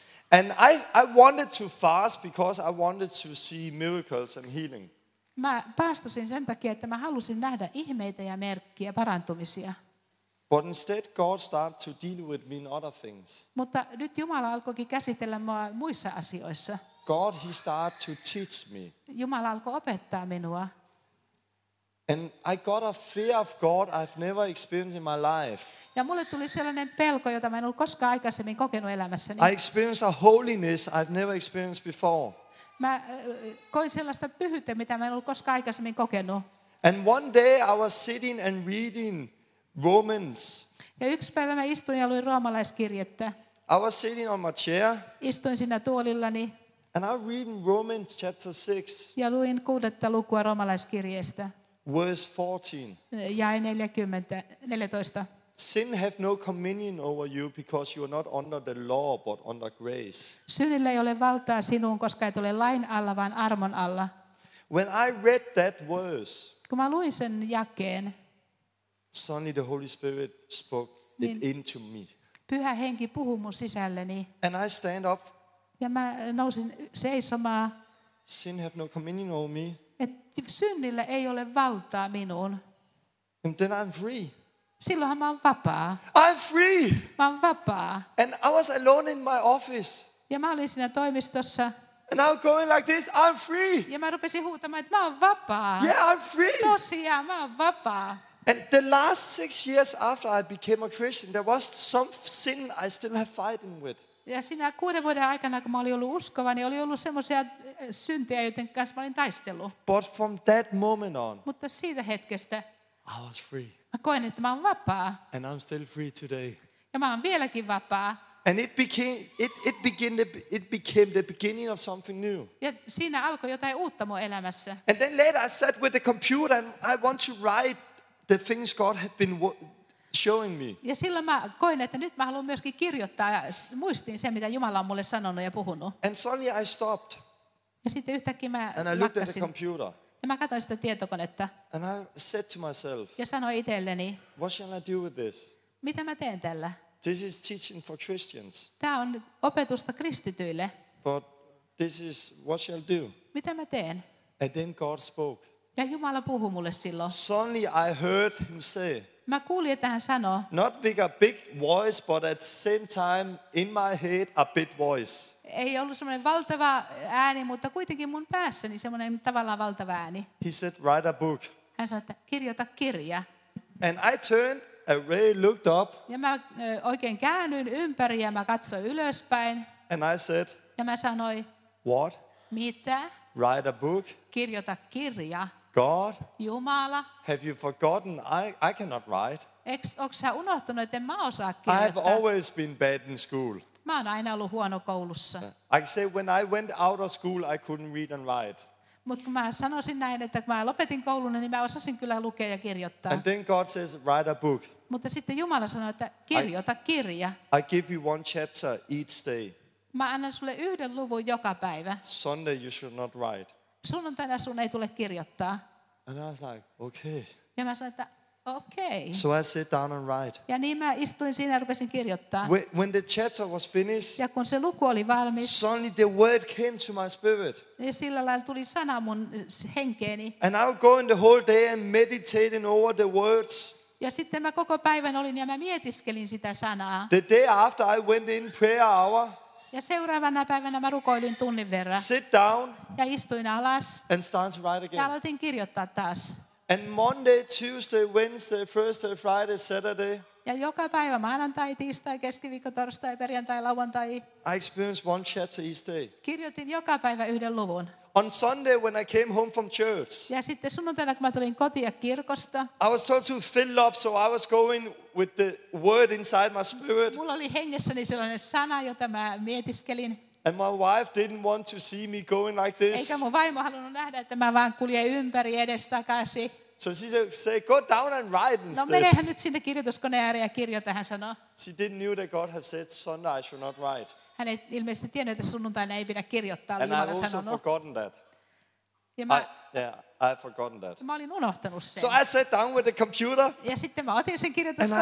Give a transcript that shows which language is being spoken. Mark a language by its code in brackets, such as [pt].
[en] And I wanted to fast because I wanted to see miracles and healing. [fi] Mä paastosin sen takia, että mä halusin nähdä ihmeitä ja merkkiä, parantumisia. [en] But instead God started to deal with me in other things. [fi] Mutta nyt Jumala alkoikin käsitellä mua muissa asioissa. [en] God, he started to teach me. [fi] Jumala alkoi opettaa minua. [en] And I got a fear of God I've never experienced in my life. [fi] Ja mulle tuli sellainen pelko, jota mä en ollut koskaan aikaisemmin kokenut elämässäni. [en] I experienced a holiness I've never experienced before. [fi] Mä koin sellaista pyhyyttä, mitä mä en ollut koskaan aikaisemmin kokenut. [en] And one day I was sitting and reading Romans. [fi] Ja yksi päivä mä istuin ja luin roomalaiskirjettä. [en] I was sitting on my chair. [fi] Istuin siinä tuolillani. [en] And I read Romans chapter 6. [fi] Ja luin 6. lukua roomalaiskirjeestä. [en] Verse 14. [fi] Jae 14. [en] Sin have no dominion over you because you are not under the law but under grace. [fi] Synnillä ei ole valtaa sinuun, koska et ole lain alla vaan armon alla. [en] When I read that verse, [fi] kun mä luin sen jakeen, [en] suddenly the Holy Spirit spoke it into me. [fi] Pyhä Henki puhui mun sisälleni. [en] And I stand up. [fi] Ja mä nousin seisomaan. [en] Sin have no dominion over me. [fi] Et synnillä ei ole valtaa minuun. [en] And then I'm free. [fi] Silloinhan mä oon vapaa. [en] I'm free. [fi] Mä oon vapaa. [en] And I was alone in my office. [fi] Ja mä olin siinä toimistossa. [en] And I'm going like this, I'm free. [fi] Ja mä rupesin huutamaan, että mä oon vapaa. [en] Yeah, I'm free. [fi] Tosiaan, mä oon vapaa. [en] And the last 6 years after I became a Christian, there was some sin I still have fighting with. [fi] Ja siinä 6 vuoden aikana, kun mä olin ollut uskova, niin oli ollut semmoisia syntejä, joiden kanssa mä olin taistellut. [en] But from that moment on, [fi] mutta siitä hetkestä, [en] I was free. [fi] Mä koen, että mä oon vapaa. [en] And I'm still free today. [fi] Ja mä oon vieläkin vapaa. [en] And it became the beginning of something new. [fi] Ja siinä alkoi jotain uutta mun elämässä. [en] And then later I sat with the computer and I want to write the things God had been showing me. [fi] Ja silloin mä koin, että nyt mä haluan myöskin kirjoittaa muistiin sen, mitä Jumala on mulle sanonut ja puhunut. [en] And suddenly I stopped. [fi] Ja sitten yhtäkkiä mä lakkasin. [en] And I looked at the computer. [fi] Ja mä katsoin sitä tietokonetta. [en] And I said to myself. [fi] Ja sanoin itselleni. [en] What shall I do with this? [fi] Mitä mä teen tällä? [en] This is teaching for Christians. [fi] Tämä on opetusta kristityille. [en] But this is what shall do. [fi] Mitä mä teen? [en] And then God spoke. [fi] Ja Jumala puhui mulle silloin. [en] Suddenly I heard him say. [fi] Mä kuulin, että hän sanoo. [en] Not with a big voice, but at the same time in my head a big voice. [fi] Ei ollut semmoinen valtava ääni, mutta kuitenkin mun päässäni semmoinen tavallaan valtava ääni. [en] He said, write a book. [fi] Hän sanoi, että kirjoita kirja. [en] And I turned. I really looked up. [fi] Ja mä oikein käännyin ympäri ja mä katsoin ylöspäin. [en] And I said. [fi] Ja mä sanoin. [en] What? [fi] Mitä? [en] Write a book. [fi] Kirjoita kirja. [en] God. [fi] Jumala. [en] Have you forgotten? I cannot write. [fi] Onko sä unohtanut, että mä osaa kirjoittaa? [en] I've always been bad in school. [fi] Mä oon aina ollut huono koulussa. [en] I say when I went out of school, I couldn't read and write. [fi] Mutta kun mä sanoisin näin, että kun mä lopetin koulun, niin mä osasin kyllä lukea ja kirjoittaa. [en] And then God says, write a book. [fi] Mutta sitten Jumala sanoi, että kirjoita kirja. [en] I give you one chapter each day. [fi] Mä annan sulle yhden luvun joka päivä. [en] Sunday you should not write. [fi] Sunnuntaina sun ei tule kirjoittaa. [en] And I was like, okay. [fi] Ja mä sanoin, että okei. [en] Okay. So I sit down and write. [fi] Ja niin mä istuin siinä ja rupesin kirjoittaa. [en] When the chapter was finished. [fi] Ja kun se luku oli valmis. [en] Suddenly the word came to my spirit. [fi] Ja sillä lailla tuli sana mun henkeeni. [en] And I was going the whole day and meditating over the words. [fi] Ja sitten mä koko päivän olin ja mä mietiskelin sitä sanaa. [en] The day after I went in prayer hour. [fi] Ja seuraavana päivänä mä rukoilin tunnin verran. [en] Sit down. [fi] Ja istuin alas. [en] And started to write again. [fi] Ja aloitin kirjoittaa taas. [en] And Monday, Tuesday, Wednesday, Thursday, Friday, Saturday. [fi] Ja joka päivä maanantai, tiistai, keskiviikko, torstai, perjantai, lauantai. [en] I experienced one chapter each day. [fi] Kirjoitin joka päivä yhden luvun. [en] On Sunday when I came home from church. [fi] Ja sitten sunnuntaina kun mä tulin kotia kirkosta. [en] I was told to fill up, so I was going with the word inside my spirit. [fi] Mulla oli hengessäni sellainen sana, jota mä mietiskelin. [en] And my wife didn't want to see me going like this. [fi] Eikä mun vaimo halunnut nähdä, että mä vaan kuljen ympäri edestakaisin. [en] So she said, go down and write instead. [fi] No menehän nyt sinne kirjoituskoneen ääreen ja kirjoita, hän sanoo. [en] She didn't know that God had said Sunday I should not write. [fi] Hän ei ilmeisesti tiennyt, että sunnuntaina ei pidä kirjoittaa, oli Jumala sanonut. [en] And I also forgotten that. I forgotten that. [fi] Mä olin unohtanut sen. [en] So I sat down with the computer. [fi] Ja sitten mä otin sen kirjoituskoneen